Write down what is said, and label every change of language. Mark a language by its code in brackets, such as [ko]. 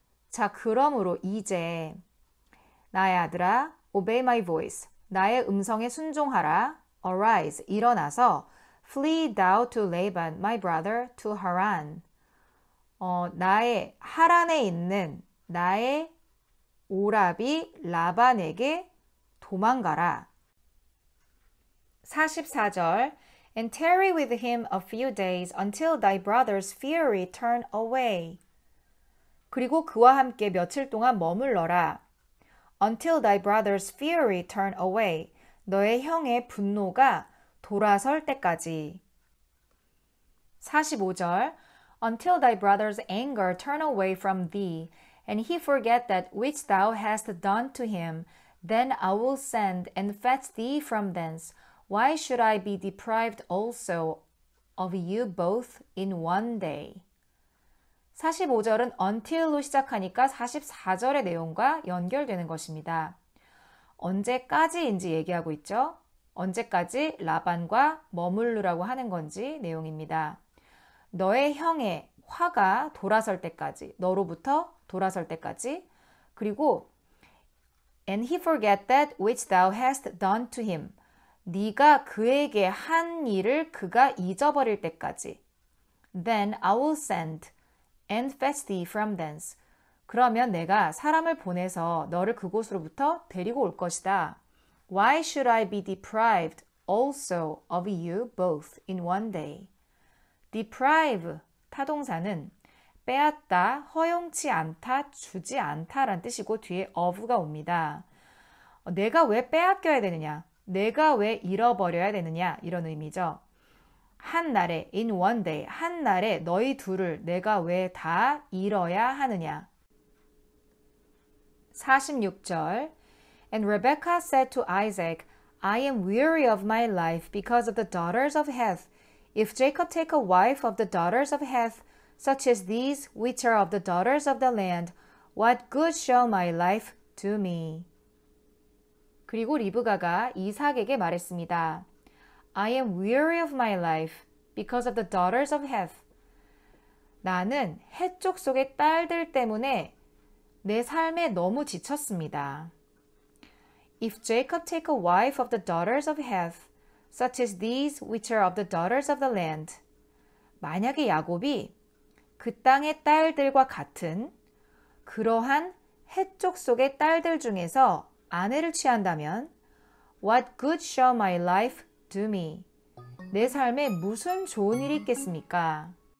[ko] 자, 그러므로 이제 나의 아들아, [en] obey my voice, [ko] 나의 음성에 순종하라. [en] Arise, [ko] 일어나서 [en] flee thou to Laban, my brother, to Haran. [ko] 나의 하란에 있는 나의 오라비 라반에게 도망가라. [en] 44절 And tarry with him a few days until thy brother's fury turn away. [ko] 그리고 그와 함께 며칠 동안 머물러라. [en] Until thy brother's fury turn away. [ko] 너의 형의 분노가 돌아설 때까지. [en] 45절 Until thy brother's anger turn away from thee, and he forget that which thou hast done to him, then I will send and fetch thee from thence. Why should I be deprived also of you both in one day? [ko] 45절은 until로 시작하니까 44절의 내용과 연결되는 것입니다. 언제까지인지 얘기하고 있죠? 언제까지 라반과 머무르라고 하는 건지 내용입니다. 너의 형의 화가 돌아설 때까지, 너로부터 돌아설 때까지, 그리고 [en] And he forget that which thou hast done to him. [ko] 네가 그에게 한 일을 그가 잊어버릴 때까지. [en] Then I will send and fetch thee from thence. [ko] 그러면 내가 사람을 보내서 너를 그곳으로부터 데리고 올 것이다. [en] Why should I be deprived also of you both in one day? [ko] Deprive, 타동사는 빼앗다, 허용치 않다, 주지 않다라는 뜻이고 뒤에 of가 옵니다. 내가 왜 빼앗겨야 되느냐? 내가 왜 잃어버려야 되느냐? 이런 의미죠. 한 날에, [en] in one day, [ko] 한 날에 너희 둘을 내가 왜 다 잃어야 하느냐? [en] 46절 And Rebekah said to Isaac, I am weary of my life because of the daughters of Heth. If Jacob take a wife of the daughters of Heth, such as these which are of the daughters of the land, what good shall my life do me? [ko] 그리고 리브가가 이삭에게 말했습니다. [en] I am weary of my life because of the daughters of Heth. [ko] 나는 헷 족속의 딸들 때문에 내 삶에 너무 지쳤습니다. [en] If Jacob take a wife of the daughters of Heth, such as these which are of the daughters of the land. [ko] 만약에 야곱이 그 땅의 딸들과 같은 그러한 헷 족속의 딸들 중에서 아내를 취한다면 [en] What good shall my life do me? [ko] 내 삶에 무슨 좋은 일이 있겠습니까?